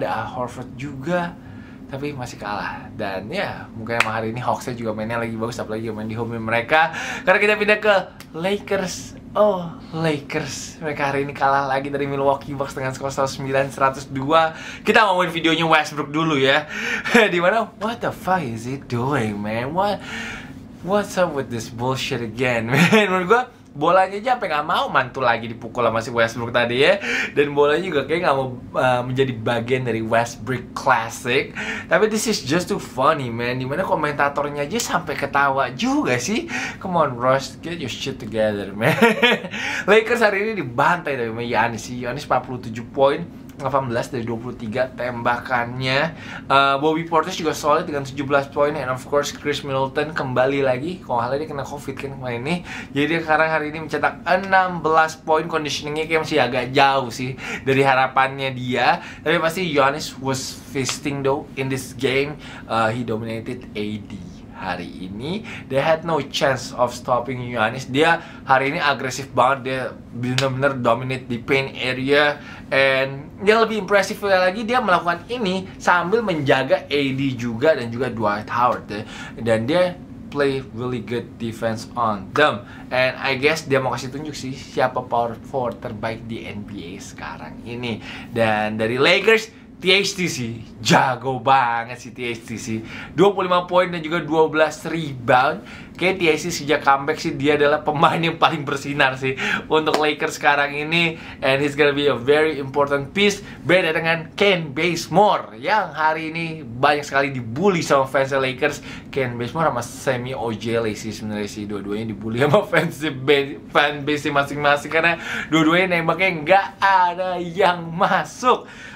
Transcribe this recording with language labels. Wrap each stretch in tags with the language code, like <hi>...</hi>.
<id>Ada Horford juga tapi masih kalah. Dan ya, mungkin emang hari ini Hawks-nya juga mainnya lagi bagus, apalagi main di home mereka. Karena kita pindah ke Lakers. Oh, Lakers. Mereka hari ini kalah lagi dari Milwaukee Bucks dengan skor 109-102. Kita ngomongin videonya Westbrook dulu ya.</id> <en>Dimana, what the fuck is he doing, man? What's up with this bullshit again, man?</en> <id>Menurut gue, bolanya aja sampe gak mau mantul lagi dipukul sama si Westbrook tadi ya. Dan bolanya juga kayak gak mau menjadi bagian dari Westbrook Classic. Tapi</id> <en>this is just too funny, man.</en> <id>Dimana komentatornya aja sampai ketawa juga sih.</id> <en>Come on, Ross, get your shit together, man.</en> <id>Lakers hari ini dibantai tapi sama Giannis sih. Giannis 47 poin, 18 dari 23 tembakannya. Bobby Portis juga solid dengan 17 poin. And of course Chris Middleton kembali lagi. Kalau nggak salah dia kena COVID kan kemarin nih. Jadi sekarang hari ini mencetak 16 poin. Conditioningnya kayak masih agak jauh sih dari harapannya dia. Tapi pasti</id> <en>Giannis was feasting though in this game. He dominated AD</en> <id>hari ini.</id> <en>They had no chance of stopping Giannis.</en> <id>Dia hari ini agresif banget. Dia benar-benar</id> <en>dominate the paint area.</en> <id>And yang lebih impresif lagi, dia melakukan ini sambil menjaga AD juga dan juga Dwight Howard. Dan dia</id> <en>play really good defense on them. And I guess</en> <id>dia mau kasih tunjuk sih siapa power forward terbaik di NBA sekarang ini. Dan dari Lakers, THT sih, jago banget sih THT sih. 25 poin dan juga 12 rebound. Kayaknya THT sejak comeback sih, dia adalah pemain yang paling bersinar sih untuk Lakers sekarang ini.</id> <en>And he's gonna be a very important piece.</en> <id>Beda dengan Ken Bazemore yang hari ini banyak sekali dibully sama fans Lakers. Ken Bazemore sama Semi Ojeleye sih sebenarnya sih, dua-duanya dibully sama fanbase masing-masing. Karena dua-duanya nembaknya gak ada yang masuk.</id>